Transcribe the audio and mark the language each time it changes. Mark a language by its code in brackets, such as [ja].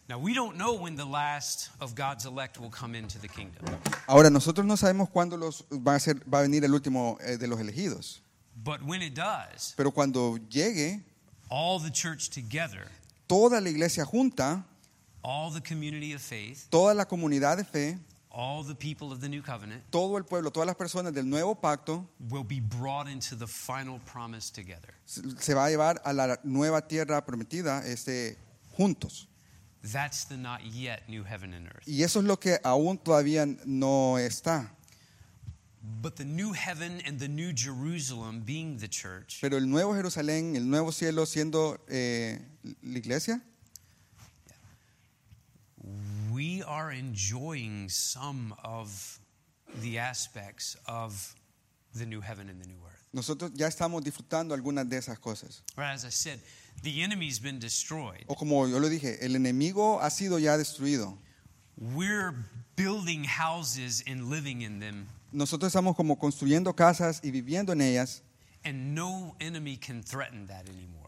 [en] Now we don't know when the last of God's elect will come into the kingdom. [es] Ahora nosotros no sabemos cuándo va a venir el último de los elegidos. [en] But when it does, [es] pero cuando llegue, [en] all the church together, [es] toda la iglesia junta, [en] all the community of faith, [es] toda la comunidad de fe, [en] all the people of the new covenant, [es] todo el pueblo, todas las personas del nuevo pacto, [en] will be brought into the final promise together. [es] Se va a llevar a la nueva tierra prometida, juntos. [en] That's the not yet new heaven and earth. [es] Y eso es lo que aún todavía no está. [en] But the new heaven and the new Jerusalem being the church. [es] Pero el nuevo Jerusalén, el nuevo cielo siendo la iglesia. [en] We are enjoying some of the aspects of the new heaven and the new earth. [es] Nosotros ya estamos disfrutando algunas de esas cosas. [en] Right, as I said, the enemy's been destroyed. [es] O como yo lo dije, el enemigo ha sido ya destruido. [en] We're building houses and living in them. [es] Nosotros estamos como construyendo casas y viviendo en ellas. [en] And no enemy can threaten that anymore.